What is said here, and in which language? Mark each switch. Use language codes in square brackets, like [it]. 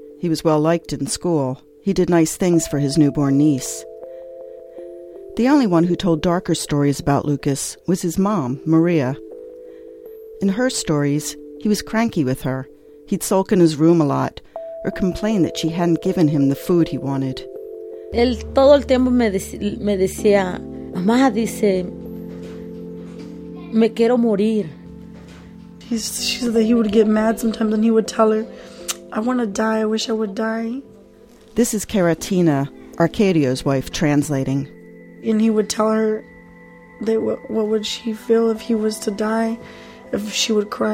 [en] He was well-liked in school. He did nice things for his newborn niece. The only one who told darker stories about Lucas was his mom, Maria. In her stories, he was cranky with her. He'd sulk in his room a lot or complain that she hadn't given him the food he wanted. [es] Él todo el tiempo me decía, mamá dice... Me quiero morir. [en] She said that he would get mad sometimes and he would tell her, I want to die, I wish I would die. This is Caratina, Arcadio's wife, translating. And he would tell her that what would she feel if he was to die, if she would cry.